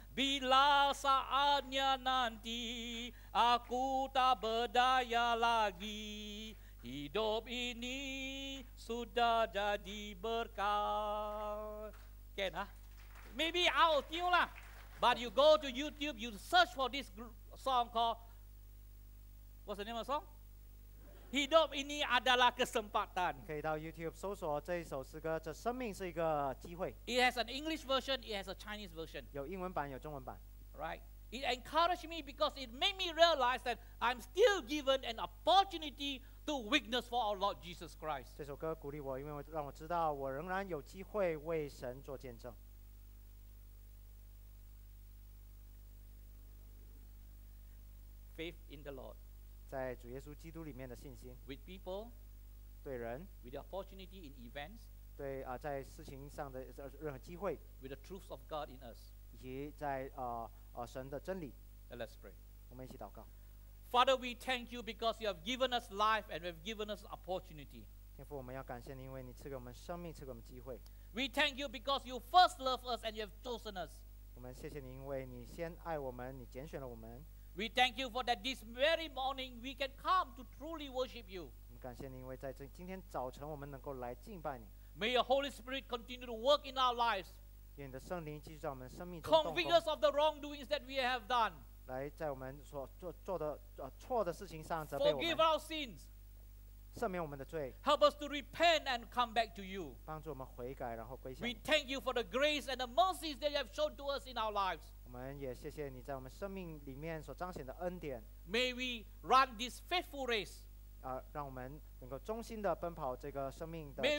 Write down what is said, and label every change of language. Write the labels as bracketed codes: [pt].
[id] Bila saatnya nanti aku tak berdaya lagi, hidup ini sudah jadi berkat. [en] Can, huh? Maybe out of tune lah. But you go to YouTube, you search for this song called, what's the name of the song? [id] Hidup ini adalah kesempatan. [zh] 可以到 YouTube 搜索这一首诗歌，这生命是一个机会。 [en] It has an English version, it has a Chinese version. [zh] 有英文版，有中文版。 [en] Right. It encouraged me because it made me realize that I'm still given an opportunity to witness for our Lord Jesus Christ. [zh] 这首歌鼓励我，因为让我知道我仍然有机会为神做见证。 [en] Faith in the Lord. [zh] 在主耶稣基督里面的信心 [en] with people, [zh] 对人 [en] with the opportunity in events, [zh] 对在事情上的任何机会 [en] with the truth of God in us, [zh] 以及在神的真理 [en] Let's pray. [zh] 我们一起祷告 [en] Father, we thank you because you have given us life and you have given us opportunity. [zh] 天父，我们要感谢你，因为你赐给我们生命，赐给我们机会。 [en] We thank you because you first loved us and you have chosen us. [zh] 我们谢谢你，因为你先爱我们，你拣选了我们。 [en] We thank you for that this very morning we can come to truly worship you. [zh] 我们感谢你，因为在这今天早晨我们能够来敬拜你。 [en] May your Holy Spirit continue to work in our lives. 愿你的圣灵继续在我们生命 [zh] 中动工。 [en] Convict us of the wrongdoings that we have done. [zh] 来在我们所做的错的事情上责备我们。 [en] Forgive our sins. [zh] 赦免我们的罪。 [en] Help us to repent and come back to you. [zh] 帮助我们悔改，然后归向。 [en] We thank you for the grace and the mercies that you have shown to us in our lives. [zh] 我们也谢谢你在我们生命里面所彰显的恩典。 [en] May we run this faithful race. [zh] 让我们能够忠心的奔跑这个生命的这